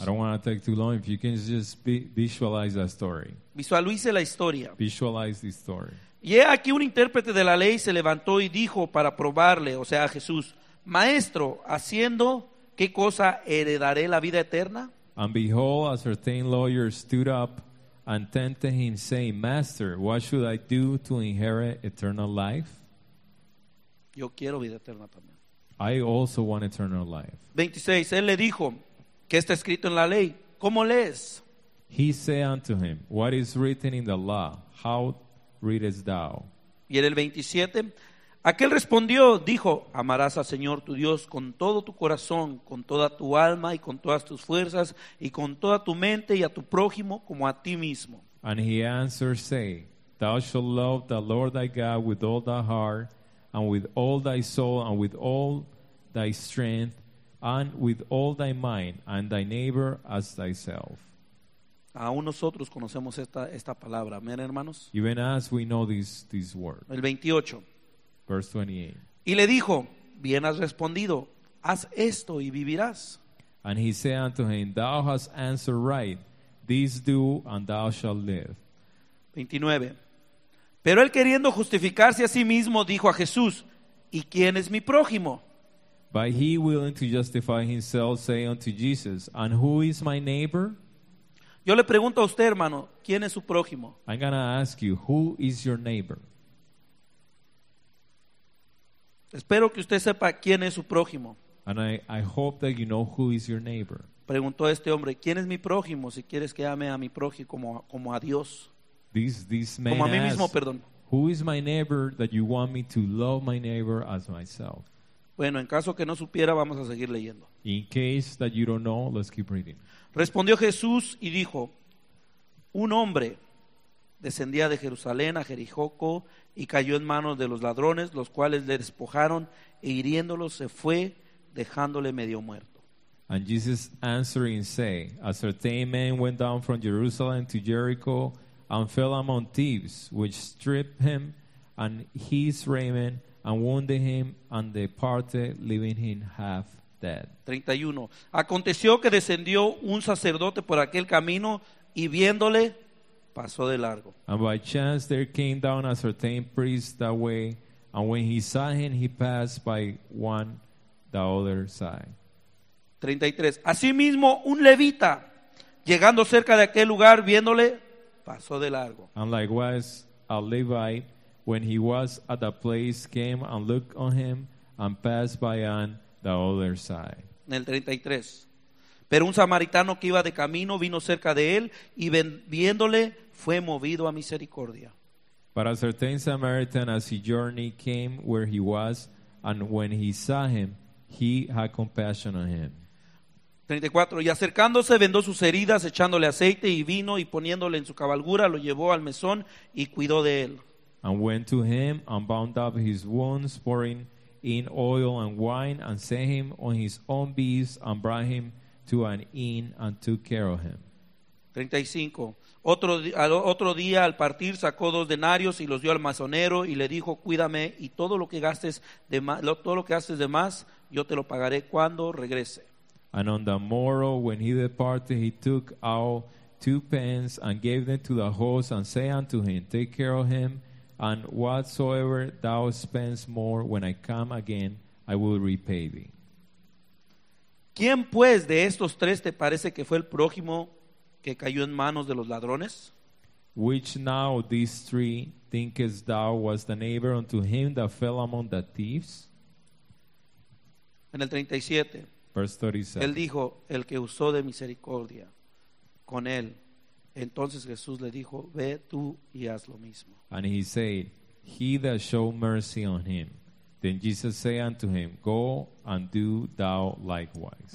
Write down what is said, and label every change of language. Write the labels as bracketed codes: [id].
[en] I don't want to take too long. If you can just visualize that story. [es] Visualice la historia. [en] Visualize the story. [es] Y aquí un intérprete de la ley se levantó y dijo para probarle, o sea, a Jesús, Maestro, ¿haciendo qué cosa heredaré la vida eterna? [en] And behold, a certain lawyer stood up and tempted him, saying, Master, what should I do to inherit eternal life? [es] Yo quiero vida eterna también. [en] I also want eternal life. [es] 26, él le dijo, ¿qué está escrito en la ley? ¿Cómo lees? [en] He said unto him, What is written in the law? How readest thou? [es] Y en el 27, aquel respondió, dijo, Amarás al Señor tu Dios con todo tu corazón, con toda tu alma y con todas tus fuerzas y con toda tu mente y a tu prójimo como a ti mismo. [en] And he answered, say, Thou shalt love the Lord thy God with all thy heart and with all thy soul and with all thy strength and with all thy mind and thy neighbor as thyself. [es] Aún nosotros conocemos esta palabra. Amén, hermanos. [en] Even us, we know this word. [es] El 28. [en] Verse 28. [es] Y le dijo, bien has respondido, haz esto y vivirás. [en] And he said unto him, thou hast answered right, this do and thou shalt live. 29. [es] Pero él queriendo justificarse a sí mismo, dijo a Jesús, ¿y quién es mi prójimo? [en] But he willing to justify himself, say unto Jesus, and who is my neighbor? [es] Yo le pregunto a usted, hermano, ¿quién es su prójimo? [en] I'm going to ask you, who is your neighbor? [es] Espero que usted sepa quién es su prójimo. [en] And I hope that you know who is your neighbor. [es] Preguntó este hombre, ¿quién es mi prójimo? Si quieres que ame a mi prójimo como a Dios. [en] This man [es] como a mí mismo, [en] asked, [es] perdón. [en] Who is my neighbor that you want me to love my neighbor as myself? [es] Bueno, en caso que no supiera, vamos a seguir leyendo. [en] In case that you don't know, let's keep reading. [es] Respondió Jesús y dijo, un hombre descendía de Jerusalén a Jericó y cayó en manos de los ladrones, los cuales le despojaron e hiriéndolo se fue, dejándole medio muerto. [en] And Jesus answering said, A certain man went down from Jerusalem to Jericho and fell among thieves, which stripped him and his raiment and wounded him and departed, leaving him half. 31. [es] Aconteció que descendió un sacerdote por aquel camino y viéndole pasó de largo. [en] And by chance there came down a certain priest that way, and when he saw him, he passed by one the other side. 33. [es] Asimismo un levita llegando cerca de aquel lugar viéndole pasó de largo. [en] And likewise a Levite, when he was at that place, came and looked on him and passed by on the other side. [es] En el 33. Pero un samaritano que iba de camino vino cerca de él y viéndole fue movido a misericordia. [en] But a certain Samaritan as he journeyed came where he was, and when he saw him, he had compassion on him. 34. [es] Y acercándose vendó sus heridas, echándole aceite y vino y poniéndole en su cabalgura, lo llevó al mesón y cuidó de él. [en] And went to him and bound up his wounds, pouring in oil and wine, and sent him on his own beast, and brought him to an inn, and took care of him. 35. [es] Otro día al partir sacó dos denarios y los dio al masonero y le dijo, cuídame y todo lo que gastes de más, yo te lo pagaré cuando regrese. [en] And on the morrow, when he departed, he took out 2 pence and gave them to the host and said unto him, take care of him. And whatsoever thou spendest more, when I come again, I will repay thee. [es] ¿Quién pues de estos tres te parece que fue el prójimo que cayó en manos de los ladrones? [en] Which now these three thinkest thou was the neighbor unto him that fell among the thieves? [es] En el 37. [en] Verse 37. [es] Él dijo, el que usó de misericordia con él. Entonces Jesús le dijo, ve tú y haz lo mismo. [en] And he said, he that showed mercy on him. Then Jesus said unto him, go and do thou likewise.